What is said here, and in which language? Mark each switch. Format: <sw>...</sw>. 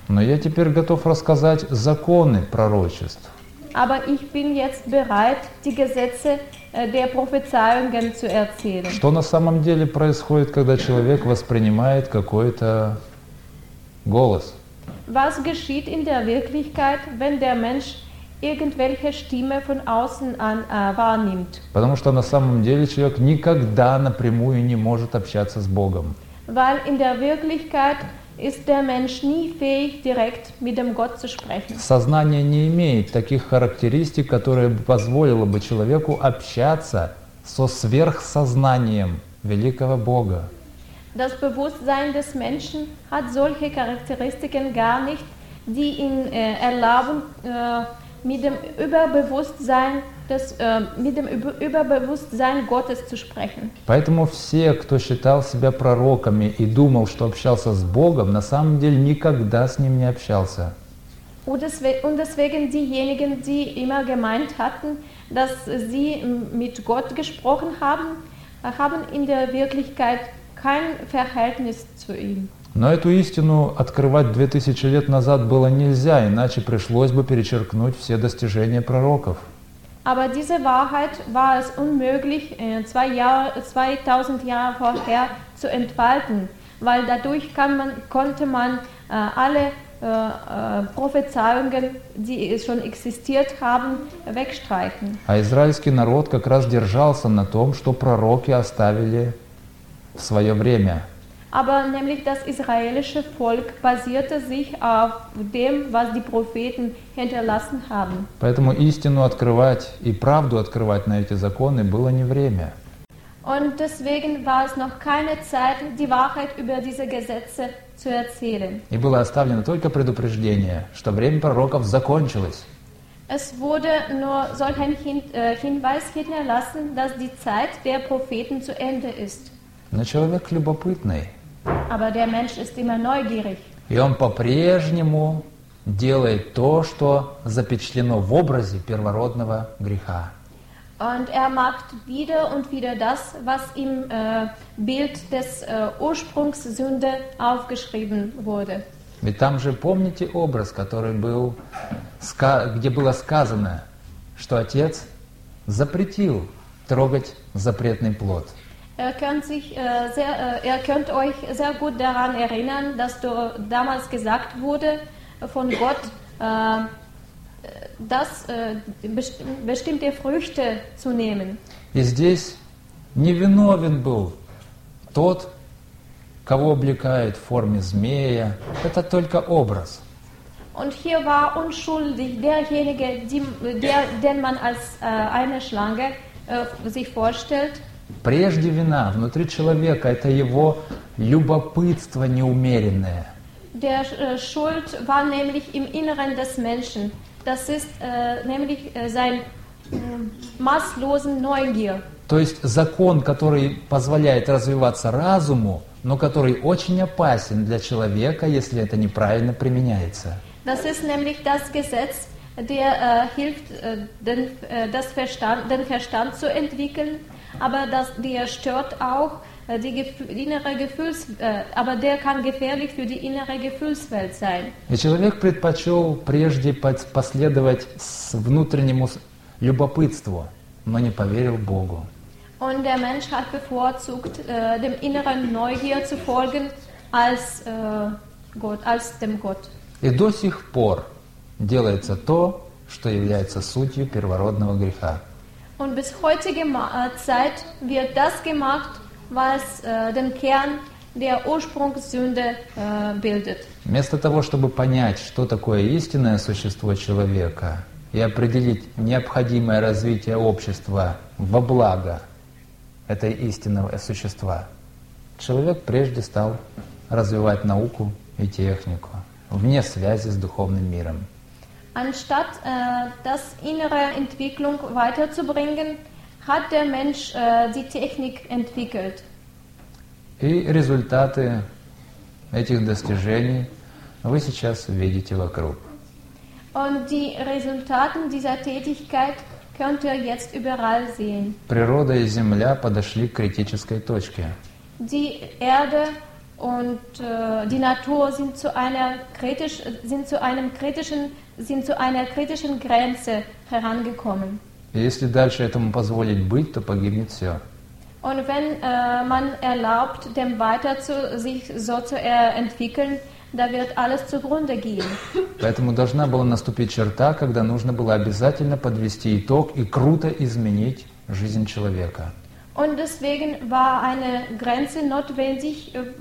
<ru>Но я теперь готов рассказать законы пророчеств.</ru> <de>Aber ich bin jetzt bereit, die Gesetze der Prophezeiungen zu erzählen.</de> <ru>Что на самом деле происходит, когда человек воспринимает какой-то голос?</ru> <de>Was geschieht in der Wirklichkeit, wenn der Mensch irgendwelche Stimme von außen an wahrnimmt?</de> <ru>Потому что на самом деле человек никогда напрямую не может общаться с Богом.</ru> <de>Weil in der Wirklichkeit ist der Mensch nie fähig, direkt mit dem Gott zu sprechen.</de> <ru>Сознание не имеет таких характеристик, которые позволило бы человеку общаться со сверхсознанием великого Бога.</ru> <de>Das Bewusstsein des Menschen hat solche Charakteristiken gar nicht, die ihn erlauben, mit dem Überbewusstsein Gottes zu sprechen.</de> <ru>Поэтому все, кто считал себя пророками и думал, что общался с Богом, на самом деле никогда с ним не общался.</ru> <de>Und deswegen diejenigen, die immer gemeint hatten, dass sie mit Gott gesprochen haben, haben in der Wirklichkeit kein Verhältnis zu ihm.</de> <ru>Но эту истину открывать 2000 лет назад было нельзя, иначе пришлось бы перечеркнуть все достижения пророков.</ru> <de>Aber diese Wahrheit war es unmöglich, 2000 Jahre vorher zu entfalten, weil dadurch konnte man alle Prophezeiungen, die schon existiert haben, wegstreichen.</de> <ru>А израильский народ как раз держался на том, что пророки оставили в свое время.</ru> <de>Aber nämlich das israelische Volk basierte sich auf dem, was die Propheten hinterlassen haben.</de> <ru>Поэтому истину открывать и правду открывать на эти законы было не время.</ru> <de>Und deswegen war es noch keine Zeit, die Wahrheit über diese Gesetze zu erzählen.</de> <ru>И было оставлено только предупреждение, что время пророков закончилось.</ru> <de>Es wurde nur solch ein Hinweis hinterlassen, dass die Zeit der Propheten zu Ende ist.</de> <ru>Но человек любопытный.</ru> <de>Aber der Mensch ist immer neugierig.</de> <ru>И он по-прежнему делает то, что запечатлено в образе первородного греха.</ru> <de>Und er macht wieder und wieder das, was im Bild des Ursprungssünde aufgeschrieben wurde.</de> <ru>Ведь там же помните образ, который был, где было сказано, что отец запретил трогать запретный плод.</ru> <de>Er könnt euch sehr gut daran erinnern, dass du damals gesagt wurde von Gott, dass bestimmte Früchte zu nehmen.</de> <ru>И здесь невиновен был тот, кого облекает в форме змея. Это только образ.</ru> <de>Und hier war unschuldig derjenige, den man als eine Schlange sich vorstellt.</de> <ru>Прежде вина внутри человека – это его любопытство неумеренное.</ru> <de>Der Schuld war nämlich im Inneren des Menschen. Das ist nämlich sein maßlosen Neugier.</de> <ru>То есть закон, который позволяет развиваться разуму, но который очень опасен для человека, если это неправильно применяется.</ru> <de>Das ist nämlich das Gesetz, der hilft den Verstand zu entwickeln. Aber der stört auch die innere Gefühls, aber der kann gefährlich für die innere Gefühlswelt sein.</de> <ru>И человек предпочел прежде последовать внутреннему любопытству, но не поверил Богу.</ru> <de>Und der Mensch hat bevorzugt, dem inneren Neugier zu folgen, als Gott, als dem Gott.</de> <ru>И до сих пор делается то, что является сутью первородного греха.</ru> <de>Und bis heutige Zeit wird das gemacht, was den Kern der Ursprungssünde bildet.</de> <ru>Вместо того, чтобы понять, что такое истинное существо человека и определить необходимое развитие общества во благо этого истинного существа, человек прежде стал развивать науку и технику вне связи с духовным миром.</ru> <de>Anstatt das innere Entwicklung weiterzubringen, hat der Mensch die Technik entwickelt.</de> <ru>И результаты этих достижений вы сейчас видите вокруг.</ru> <de>Und die Resultate dieser Tätigkeit könnt ihr jetzt überall sehen.</de> <ru>Природа и Земля подошли к критической точке.</ru> <de>Die Erde und die Natur sind zu einer kritischen Grenze herangekommen.</de> <ru>Если дальше этому позволить быть, то погибнет все.</ru> <de>Und wenn man erlaubt, dem weiter zu sich so zu entwickeln, da wird alles zugrunde gehen.</de> <ru>Поэтому должна была наступить черта, когда нужно было обязательно подвести итог и круто изменить жизнь человека.</ru> <de>Und deswegen war eine Grenze notwendig,</de>